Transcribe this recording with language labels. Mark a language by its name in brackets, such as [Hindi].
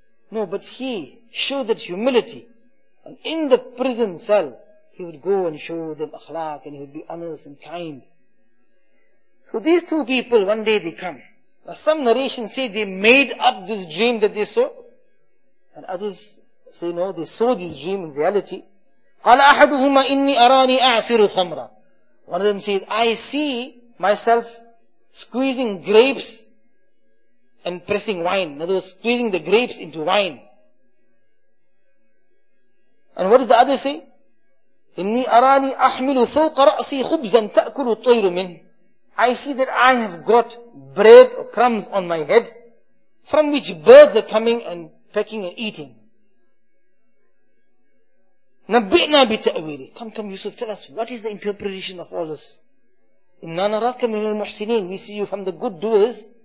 [English] No, but he showed that humility. And in the prison cell, he would go and show them akhlaq, and he would be honest and kind. So these two people, one day they come. Now some narrations say they made up this dream that they saw. And others say no, they saw this dream in reality. [Arabic] قال أحدهما إني أراني أعصر خمرا. [English] One of them said, I see myself squeezing grapes and pressing wine. In other words, squeezing the grapes into wine. And what did the other say? [Arabic] إني أراني أحمل فوق رأسي خبزا تأكل الطير منه. [English] I see that I have got bread or crumbs on my head from which birds are coming and pecking and eating. [Arabic] نَبِّئْنَا بِتَأْوِيلِ. [English] Come, Yusuf, tell us, what is the interpretation of all this? [Arabic] إِنَّا نَرَاكَ مِنَ الْمُحْسِنِينَ. [English] We see you from the good doers.